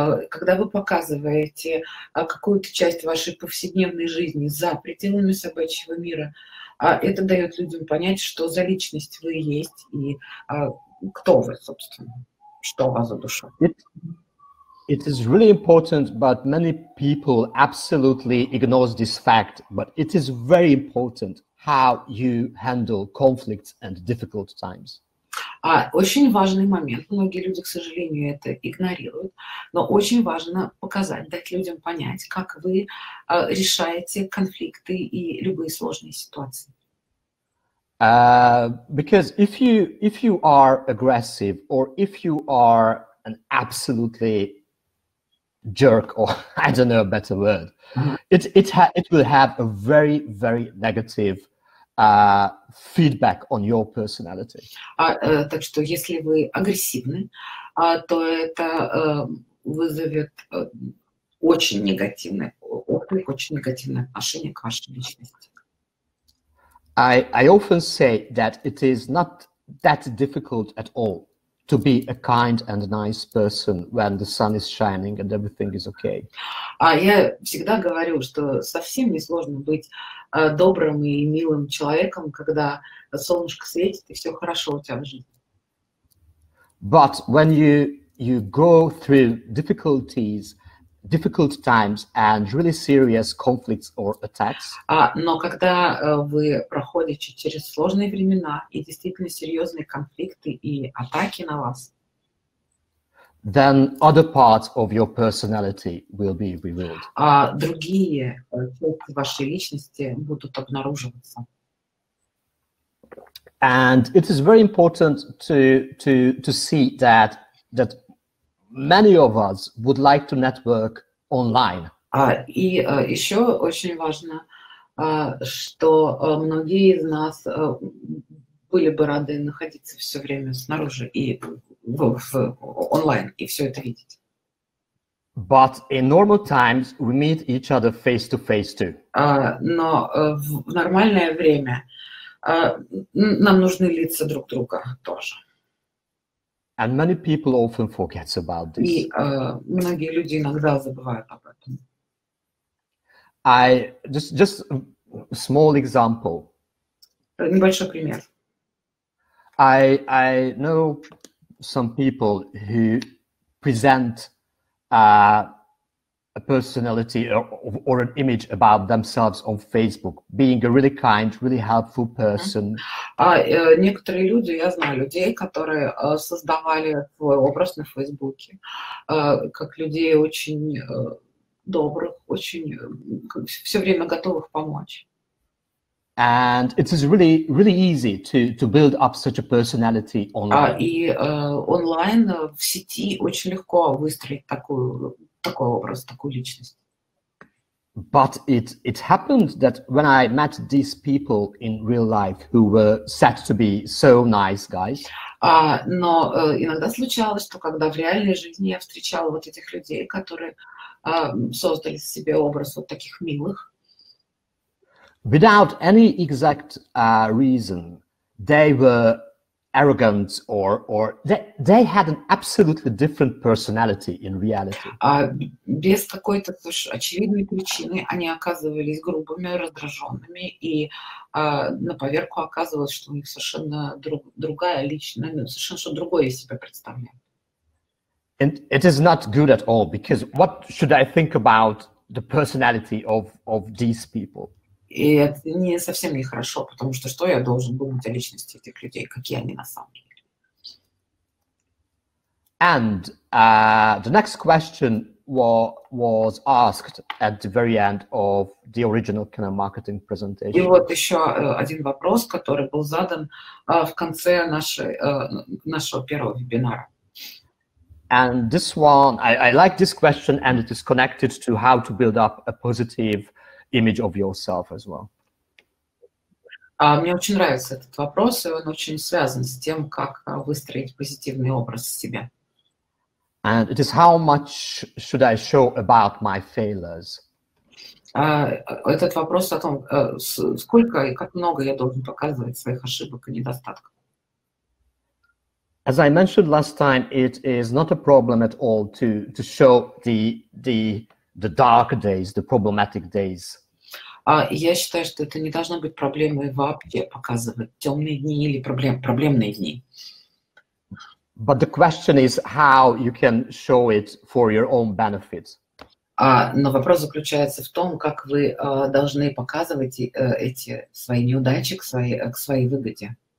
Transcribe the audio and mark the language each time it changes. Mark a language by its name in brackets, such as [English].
[Russian] Когда вы показываете какую-то часть вашей повседневной жизни за пределами собачьего мира, это дает людям понять, что за личность вы есть и кто вы, собственно, что у вас за душа. [English] It is really important, but many people absolutely ignore this fact. But it is very important how you handle conflicts and difficult times. [Russian] Очень важный момент. Многие люди, к сожалению, это игнорируют. Но очень важно показать, дать людям понять, как вы решаете конфликты и любые сложные ситуации. [English] Because if you are aggressive or if you are an absolutely jerk, or I don't know a better word. It will have a very, very negative feedback on your personality. [Russian] Так что если вы агрессивны, то это вызовет очень негативное отношение к вашей личности. [English] I often say that it is not that difficult at all to be a kind and nice person when the sun is shining and everything is okay. [Russian] Я всегда говорю, что совсем не сложно быть добрым и милым человеком, когда солнышко светит и все хорошо у тебя в жизни. [English] But when you go through difficulties, difficult times and really serious conflicts or attacks. [Russian] Но когда вы проходите через сложные времена и действительно серьезные конфликты и атаки на вас, [English] then other parts of your personality will be revealed. [Russian] Другие части вашей личности будут обнаруживаться. [English] And it is very important to see that many of us would like to network online. [Russian] Еще очень важно, что многие из нас были бы рады находиться все время снаружи и в онлайн и все это видеть. [English] But in normal times we meet each other face to face too. [Russian] Но в нормальное время нам нужны лица друг друга тоже. [English] And many people often forget about this. [Russian] Многие люди иногда забывают об этом. [English] Just a small example. [Russian] Небольшой пример. [English] I know some people who present a personality or an image about themselves on Facebook, being a really kind, really helpful person. [Russian] Некоторые люди, я знаю людей, которые создавали свой образ на Фейсбуке, как людей очень добрых, очень все время готовых помочь. [English] And it is really, really easy to build up such a personality online. [Russian] Онлайн в сети очень легко выстроить такой образ, такую личность. [English] But it happened that when I met these people in real life who were said to be so nice guys. [Russian] Иногда случалось, что когда в реальной жизни я встречала вот этих людей, которые создали себе образ вот таких милых. [English] Without any exact reason, they were arrogant or they had an absolutely different personality in reality. [Russian] Без какой-то очевидной причины они оказывались грубыми, раздраженными, и на поверку оказывалось, что у них совершенно другая личность, совершенно что-то другое из себя представляли. [English] And it is not good at all, because what should I think about the personality of these people? [Russian] И это не совсем нехорошо, потому что что я должен думать о личности этих людей, какие они на самом деле? [English] And the next question was asked at the very end of the original kind of marketing presentation. [Russian] И вот еще один вопрос, который был задан в конце нашего первого вебинара. [English] And this one, I like this question, and it is connected to how to build up a positive image of yourself as well. [Russian] Мне очень нравится этот вопрос, и он очень связан с тем, как выстроить позитивный образ себя. [English] And it is how much should I show about my failures? [Russian] Этот вопрос о том, сколько и как много я должен показывать своих ошибок и недостатков. [English] As I mentioned last time, it is not a problem at all to show the dark days, the problematic days. [Russian] Я считаю, что это не должно быть проблемой вообще показывать темные дни или проблемные дни. [English] But the question is how you can show it for your own benefit. [Russian] Но вопрос заключается в том, как вы должны показывать эти свои неудачи к своей выгоде.